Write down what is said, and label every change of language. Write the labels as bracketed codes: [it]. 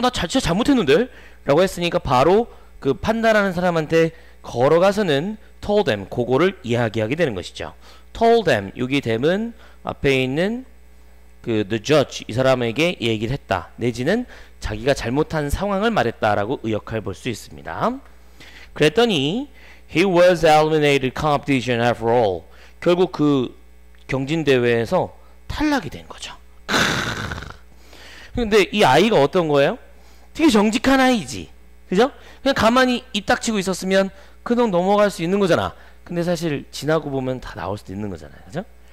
[ko] 나 진짜 잘못했는데? 라고 했으니까 바로 그 판단하는 사람한테 걸어가서는 [en] told them, [ko] 그거를 이야기하게 되는 것이죠. told them, 여기 them은 앞에 있는 그 the judge, 이 사람에게 얘기를 했다 내지는 자기가 잘못한 상황을 말했다라고 의역할 볼 수 있습니다. 그랬더니 [en] he was eliminated competition after all. [ko] 결국 그 경진대회에서 탈락이 된 거죠. 근데 이 아이가 어떤 거예요? 되게 정직한 아이지, 그죠? 그냥 가만히 입 닥치고 있었으면 그냥 넘어갈 수 있는 거잖아. 근데 사실 지나고 보면 다 나올 수도 있는 거잖아요, 그죠?